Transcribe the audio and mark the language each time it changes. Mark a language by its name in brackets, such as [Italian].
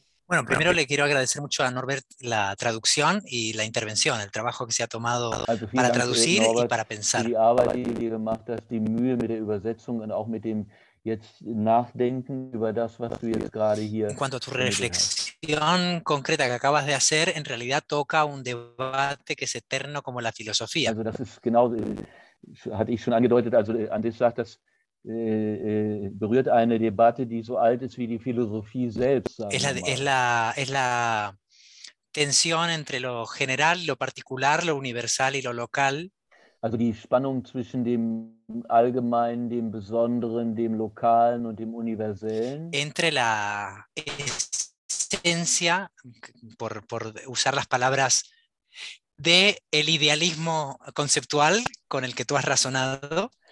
[Spanish] Bueno, primero le quiero agradecer mucho a Norbert la traducción y la intervención, el trabajo que se ha tomado para traducir y para pensar. [German] Die Arbeit, die du gemacht hast, die Mühe mit der Übersetzung und auch mit dem jetzt nachdenken über das, was du jetzt gerade hier. [Spanish] En cuanto a tu reflexión concreta que acabas de hacer, en realidad toca un debate que es eterno como la filosofía. [German] Also das ist genau, hatte ich schon angedeutet, also Andrés sagt, das berührt eine Debatte, die so alt ist wie die Philosophie selbst. [Spanish] Es la tensión entre lo general, lo particular, lo universal y lo local. [German] Also die Spannung zwischen dem Allgemeinen, dem Besonderen, dem Lokalen und dem Universellen. [Spanish] Entre la esencia, por usar las palabras, de el idealismo conceptual con el que tú has razonado.